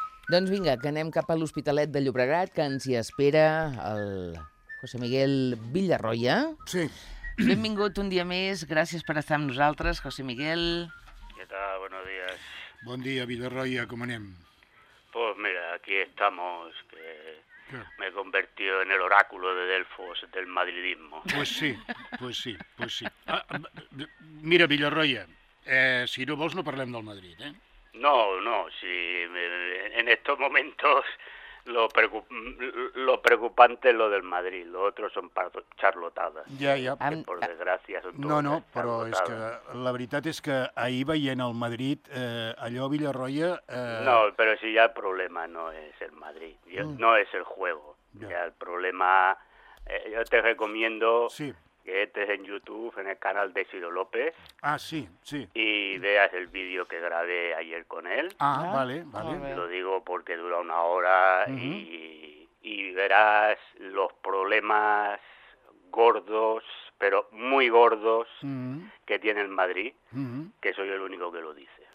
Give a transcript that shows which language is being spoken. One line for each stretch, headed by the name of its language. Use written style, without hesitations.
Catalan: Doncs vinga, que anem cap a l'Hospitalet de Llobregat, que ens hi espera el José Miguel Villarroya. Sí. Benvingut un dia més. Gràcies per estar amb nosaltres, José Miguel. Què tal?
Spanish: Buenos días.
Catalan: Bon dia, Villarroya. Com anem?
Spanish: Pues mira, aquí estamos, que... Me he convertido en el oráculo de Delfos del madridismo. Pues sí, pues sí, pues sí.
Catalan: Mira, Villarroya, si no vols no parlem del Madrid, eh?
Spanish: No, no, si en estos momentos lo preocupante es lo del Madrid, lo otro son charlotadas.
Catalan: Ja, ja.
Spanish: Que por desgracia son todas.
Catalan: No, no, però és que la veritat és que ahir veient el Madrid, allò, Villarroya... No, però si ja el problema no és el Madrid, no és el juego.
Spanish: Ja. Ya, el problema... Yo te recomiendo... Sí. Que estés en YouTube, en el canal de Ciro López. Ah, sí, sí. Y veas el vídeo que grabé ayer con él. Ah, ¿ya? Vale, vale. Lo digo porque dura una hora y verás los problemas gordos, pero muy gordos, que tiene el Madrid, que soy el único que lo dice.